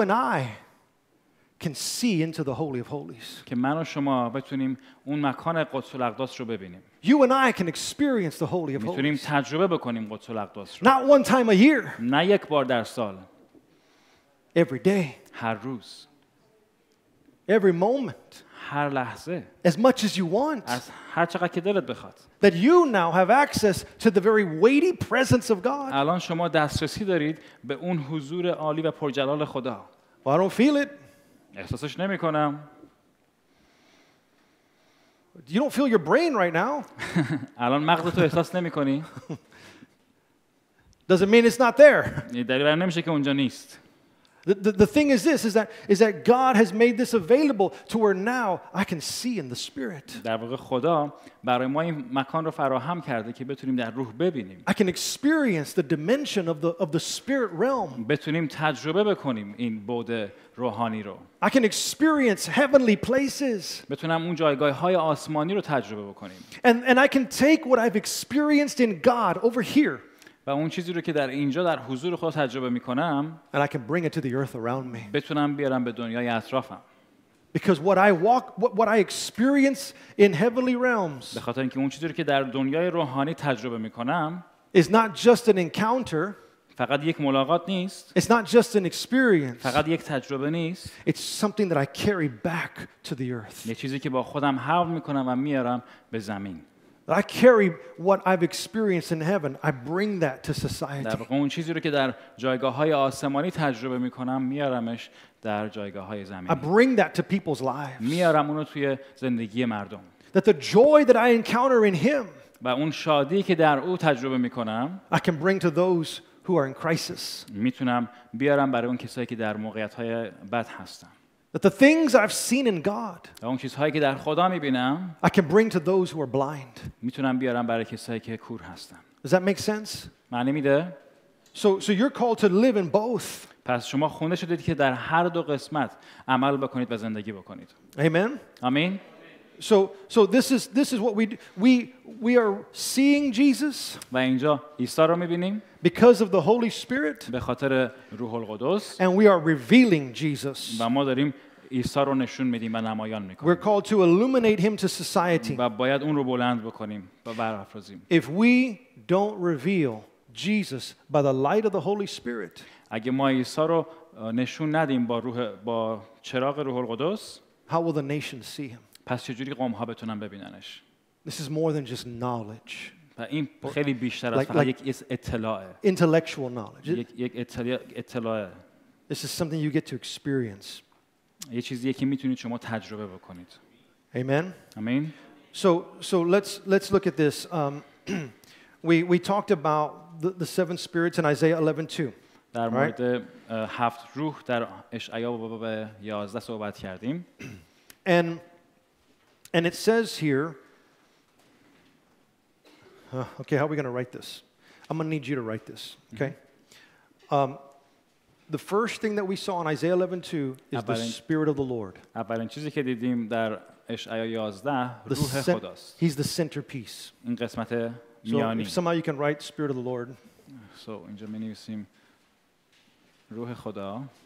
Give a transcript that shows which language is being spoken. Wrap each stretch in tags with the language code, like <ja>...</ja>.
<en>and I can see into the holy of holies.</en> <fa>که من و شما بتونیم اون مکان قدس الاقداس رو ببینیم.</fa> <en>You and I can experience the holy of holies.</en> <fa>میتونیم تجربه بکنیم قدس الاقداس رو.</fa> <en>Not one time a year.</en> <fa>نه یک بار در سال.</fa> <en>Every day.</en> <fa>هر روز.</fa> <en>Every moment,</en> <fa>هر لحظه,</fa> <en>as much as you want,</en> <fa>از هر چقدر که دلت بخواد,</fa> <en>that you now have access to the very weighty presence of God.</en> <fa>الان شما دسترسی دارید به اون حضور عالی و پرجلال خدا.</fa> <en>Well, I don't feel it.</en> <fa>احساسش نمی کنم.</fa> <en>You don't feel your brain right now.</en> <fa>الان مغزتو احساس نمی کنی.</fa> <en>Doesn't mean it's not there.</en> <fa>دلیل نمیشه که اونجا نیست.</fa> <en>The thing is this is that God has made this available to where now I can see in the spirit.</en> <fa>در واقع خدا برای ما این مکان رو فراهم کرده که بتونیم در روح ببینیم.</fa> <en>I can experience the dimension of the spirit realm.</en> <fa>بتونیم تجربه بکنیم این بعد روحانی رو.</fa> <en>I can experience heavenly places.</en> <fa>بتونم اون جایگاه‌های آسمانی رو تجربه بکنیم.</fa> <en>And I can take what I've experienced in God over here.</en> <fa>و اون چیزی رو که در اینجا در حضور خدا تجربه می‌کنم</fa> <en>and I can bring it to the earth around me</en> <fa>بتونم بیارم به دنیای اطرافم</fa> <en>because what I experience in heavenly realms</en> <fa>به خاطر اینکه اون چیزی رو که در دنیای روحانی تجربه می‌کنم</fa> <en>is not just an encounter</en> <fa>فقط یک ملاقات نیست</fa> <en>it's not just an experience</en> <fa>فقط یک تجربه نیست</fa> <en>it's something that I carry back to the earth</en> <fa>یه چیزی که با خودم حمل می‌کنم و میارم به زمین</fa> <en>I carry what I've experienced in heaven. I bring that to society.</en> <fa>در واقع اون چیزی رو که در جایگاه‌های آسمانی تجربه می‌کنم، میارمش در جایگاه‌های زمینی.</fa> <en>I bring that to people's lives.</en> <fa>میارم اونو توی زندگی مردم.</fa> <en>That the joy that I encounter in him.</en> <fa>و اون شادی که در او تجربه می‌کنم،</fa> <en>I can bring to those who are in crisis.</en> <fa>میتونم بیارم برای اون کسایی که در موقعیت‌های بد هستن.</fa> <en>That the things I've seen in God,</en> <fa>اون چیزهایی که در خدا می‌بینم,</fa> <en>I can bring to those who are blind.</en> <fa>می‌تونم بیارم برای کسایی که کور هستن.</fa> <en>Does that make sense?</en> <fa>معنی میده؟</fa> <en>So you're called to live in both.</en> <fa>پس شما خونده شدید که در هر دو قسمت عمل بکنید و زندگی بکنید.</fa> <en>Amen.</en> <fa>آمین.</fa> <en>So this is what we are seeing Jesus.</en> <fa>و اینجا عیسی رو می‌بینیم.</fa> <en>Because of the Holy Spirit.</en> <fa>به خاطر روح القدس.</fa> <en>And we are revealing Jesus.</en> <fa>و ما داریم عیسی رو نشون میدیم و نمایان میکنیم.</fa> <en>We're called to illuminate him to society.</en> <fa>و باید اون رو بلند بکنیم و برافرازیم.</fa> <en>If we don't reveal Jesus by the light of the Holy Spirit.</en> <fa>اگه ما عیسی رو نشون ندیم با چراغ روح القدس.</fa> <en>How will the nations see him?</en> <fa>پس چجوری قوم‌ها بتونن ببیننش؟</fa> <en>This is more than just knowledge.</en> <fa>و این خیلی بیشتر از فقط یک اطلاع.</fa> <en>Intellectual knowledge.</en> <fa>یک اطلاع.</fa> <en>This is something you get to experience.</en> <fa>یه چیزیه که میتونید شما تجربه بکنید.</fa> <en>Amen. Amen. So let's look at this. We talked about the seven spirits in Isaiah 11:2.</en> <fa>در مورد هفت روح در اشعیا باب 11 صحبت کردیم.</fa> <en>And it says here. Okay, how are we going to write this? I'm going to need you to write this, okay? Mm-hmm. The first thing that we saw in Isaiah 11:2 is the Spirit of the Lord.</en> <fa>اولین چیزی که دیدیم در اشعیا 11 روح خداست.</fa> <en>He's the centerpiece.</en> <fa>این قسمت میانی.</fa> <en>So if somehow you can write Spirit of the Lord.</en> <fa>So اینجا می نویسیم روح خدا.</fa>